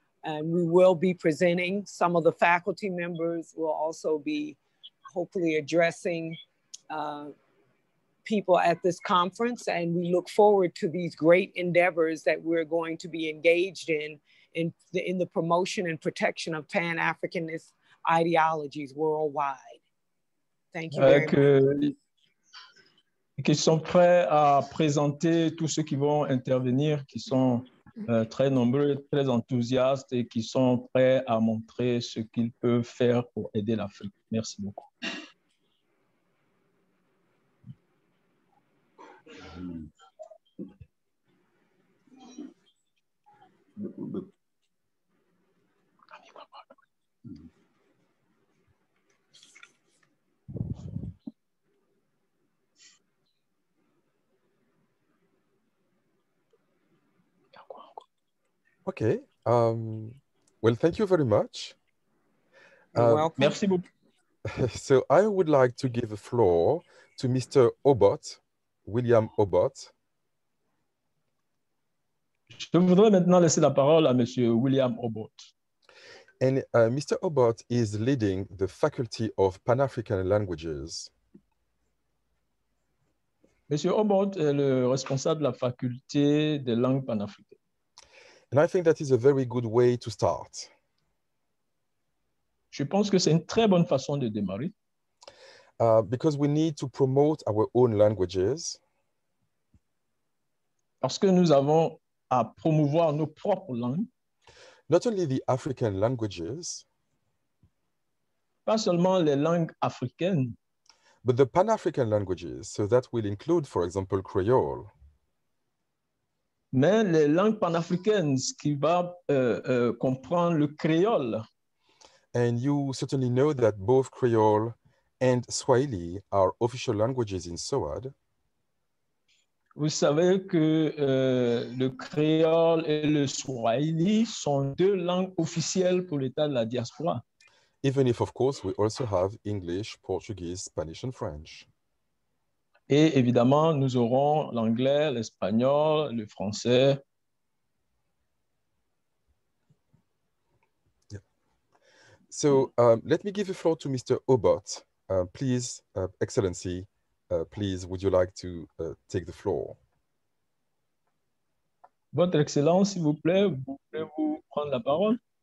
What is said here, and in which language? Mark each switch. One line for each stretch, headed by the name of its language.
English: And we will be presenting. Some of the faculty members will also be hopefully addressing people at this conference. And we look forward to these great endeavors that we're going to be engaged in the promotion and protection of Pan-Africanist ideologies worldwide. Thank you very much.
French: Qui sont prêts à présenter tous ceux qui vont intervenir, qui sont très nombreux, très enthousiastes et qui sont prêts à montrer ce qu'ils peuvent faire pour aider l'Afrique. Merci beaucoup.
English: Okay. Well, thank you very much.
French: Merci beaucoup.
English: So I would like to give the floor to Mr. Obot, William Obot.
French: Je voudrais maintenant laisser la parole à Monsieur William Obot.
English: And Mr. Obot is leading the Faculty of Pan-African Languages.
French: Monsieur Obot est le responsable de la faculté des langues panafricaines.
English: And I think that is a very good way to start.
French: Je pense que c'est une très bonne façon de démarrer.
English: Because we need to promote our own languages.
French: Parce que nous avons à promouvoir nos propres langues.
English: Not only the African languages.
French: Pas seulement les langues africaines.
English: But the Pan-African languages, so that will include, for example, Creole.
French: Mais les langues panafricaines, qui va comprendre le créole.
English: And you certainly know that both Creole and Swahili are official languages in SOAD.
French: Vous savez que le créole et le Swahili sont deux langues officielles pour l'état de la diaspora.
English: Even if, of course, we also have English, Portuguese, Spanish, and French.
French: Et évidemment, nous aurons l'anglais, l'espagnol, le français. Yeah.
English: So, let me give the floor to Mr. Obot. Please, Excellency, please, would you like to take the floor?
French: Votre Excellence, s'il vous plaît, vous pouvez vous prendre la parole?